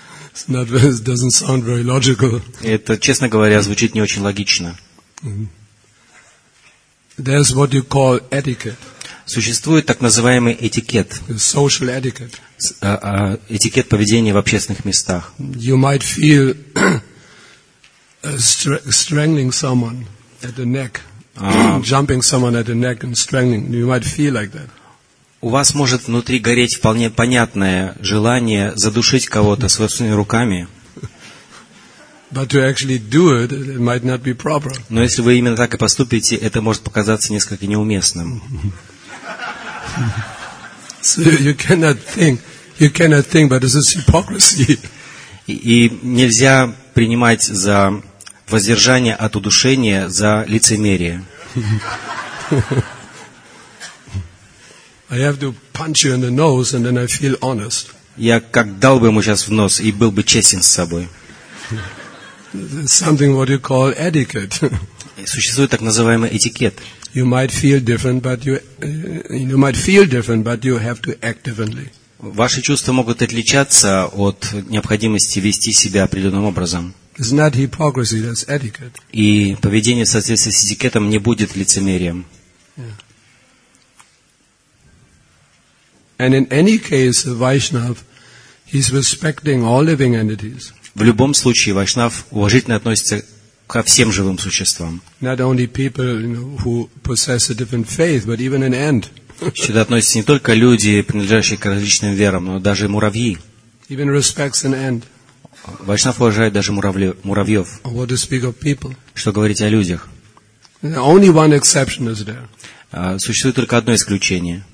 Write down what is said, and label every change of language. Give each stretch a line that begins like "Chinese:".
English: It's not, it doesn't sound very logical.
Russian: Это, честно говоря, звучит не очень логично.
English: There's what you call etiquette.
Russian: Существует так называемый этикет.
English: Social etiquette.
Russian: Этикет поведения в общественных местах.
English: You might feel strangling someone at the neck, jumping someone at the neck and strangling. You might feel like that.
Russian: У вас может внутри гореть вполне понятное желание задушить кого-то своими руками.
English: But to actually do it, it might not be proper.
Russian: Но если вы именно так и поступите, это может показаться несколько неуместным.
English: So you cannot think, but this is hypocrisy.
Russian: И нельзя принимать за воздержание от удушения за лицемерие.
English: I have to punch you in the nose, and then I feel honest.
Russian: Я как дал бы ему сейчас в нос и был бы честен с собой.
English: Something what you call etiquette.
Russian: существует так называемый этикет. Ваши чувства могут отличаться от необходимости вести себя определенным образом.
English: It's not hypocrisy, that's etiquette.
Russian: И поведение в соответствии с этикетом не будет лицемерием.
English: Yeah. And in any case, Vaishnav, he's respecting all living entities.
Russian: В любом случае, Вайшнав уважительно относится ко всем живым существам.
English: Not only people, you know, who possess a different faith, but even an ant.
Russian: Сюда относятся не только люди, принадлежащие к различным верам, но даже муравьи.
English: Even respects an ant.
Russian: Вайшнав уважает даже муравьев.
English: What to speak of people?
Russian: Что говорить о людях?
English: The only one exception is there.
Russian: Существует только одно исключение.